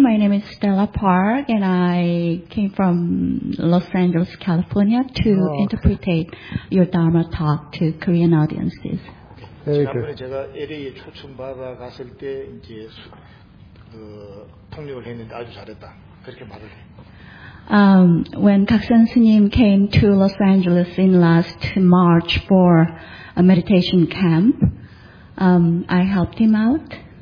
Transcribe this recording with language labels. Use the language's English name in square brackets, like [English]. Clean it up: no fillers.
[English] My name is Stella Park, and I came from Los Angeles, California, to interpret your Dharma talk to Korean audiences. Very good. [Korean] 지난번에 제가 LA에 초청받아 갔을 때 이제 그 통역을 했는데 아주 잘했다. 그렇게 말을 해. [English] When 각선 스님 came to Los Angeles in last March for a meditation camp, I helped him out.